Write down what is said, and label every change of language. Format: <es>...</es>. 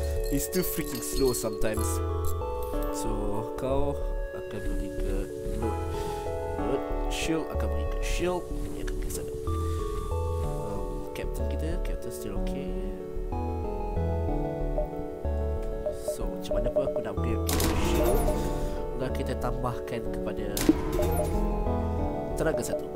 <en>It's too freaking slow sometimes.</en> <ms>So kau akan pergi ke load shield, akan pergi ke shield, ini akan ke sana. Captain kita, captain still okay. So macam mana pun aku nak pergi ke shield, dan kita tambahkan kepada tenaga satu.</ms>